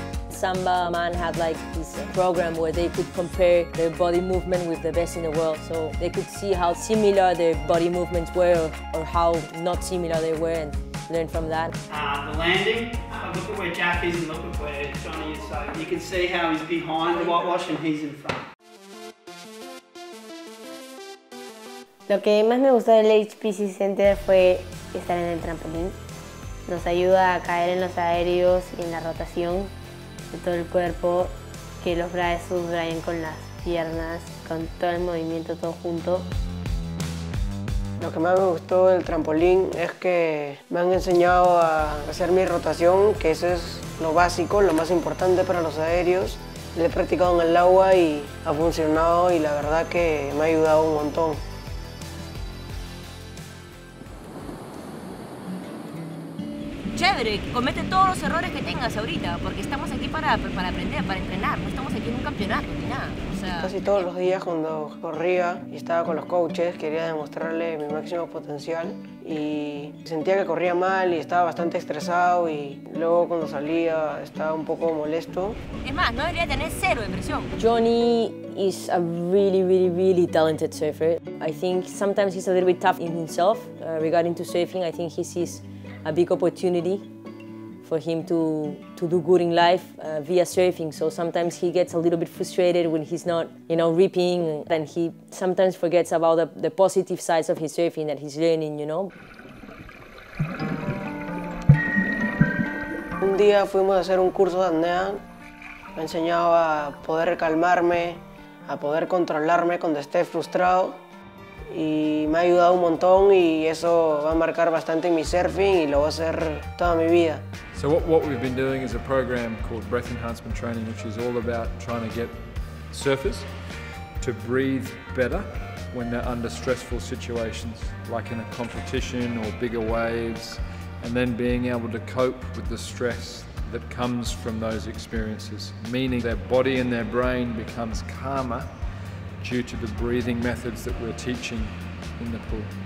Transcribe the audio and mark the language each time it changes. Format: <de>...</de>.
<en>Samba Man had like this program where they could compare their body movement with the best in the world. So they could see how similar their body movements were or how not similar they were and learn from that. The landing. Look at where Jack is and look at where Johnny is. So you can see how he's behind the whitewash and he's in front.</en> <es>Lo que más me gustó del HPC Center fue estar en el trampolín. Nos ayuda a caer en los aéreos y en la rotación de todo el cuerpo, que los brazos vayan con las piernas, con todo el movimiento todo junto. Lo que más me gustó del trampolín es que me han enseñado a hacer mi rotación, que eso es lo básico, lo más importante para los aéreos. Le he practicado en el agua y ha funcionado y la verdad que me ha ayudado un montón. Chévere, comete todos los errores que tengas ahorita, porque estamos aquí para aprender, para entrenar, no estamos aquí en un campeonato ni nada. Casi todos los días cuando corría y estaba con los coaches quería demostrarle mi máximo potencial y sentía que corría mal y estaba bastante estresado y luego cuando salía estaba un poco molesto. Es más, no debería tener cero de presión.</es> <en>Johnny is a really, really, really talented surfer. I think sometimes he's a little bit tough in himself regarding to surfing. I think he sees a big opportunity for him to do good in life via surfing. So sometimes he gets a little bit frustrated when he's not, you know, ripping. Then he sometimes forgets about the positive sides of his surfing that he's learning, you know.</en> <es>Un día fuimos a hacer un curso de apnea. Me enseñaba a poder calmarme, a poder controlarme cuando esté frustrado. Y me ha ayudado un montón y eso va a marcar bastante mi surfing y lo voy a hacer toda mi vida.</es> <en>So what we've been doing is a program called Breath Enhancement Training, which is all about trying to get surfers to breathe better when they're under stressful situations, like in a competition or bigger waves, and then being able to cope with the stress that comes from those experiences, meaning their body and their brain becomes calmer due to the breathing methods that we're teaching in the pool.</en>